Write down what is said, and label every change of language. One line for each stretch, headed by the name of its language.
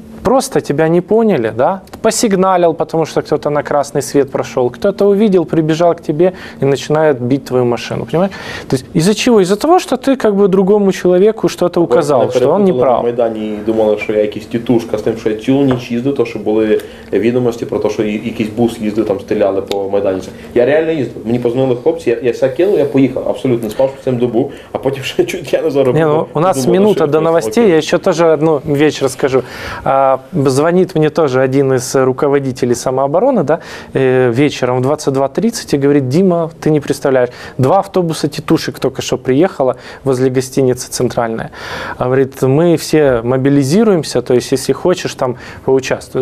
Russian: просто тебя не поняли, да? Посигналил, потому что кто-то на красный свет прошел, кто-то увидел, прибежал к тебе и начинает бить твою машину, понимаешь? То есть из-за чего? Из-за того, что ты как бы другому человеку что-то указал, что он не прав.
Ukrainian: На Майдане думали, що я якийсь тітушка з тим, що я цілу ніч їздив, то що були відомості про те, що якийсь бус їздив, там стріляли по майданчику. Я реально їздив, мені позвонили хлопці, я все кинув, я поїхав, абсолютно спав всю добу, а потім ще чуть я не заробив. Ну,
Russian: у нас минута до новостей,
Ukrainian: я ще теж одну віч розкажу.
Russian: Звонит мне тоже один из руководителей самообороны, да, вечером в 22:30 и говорит: «Дима, ты не представляешь, два автобуса тетушек только что приехало возле гостиницы «Центральная». Говорит, мы все мобилизируемся, то есть если хочешь, там поучаствуй».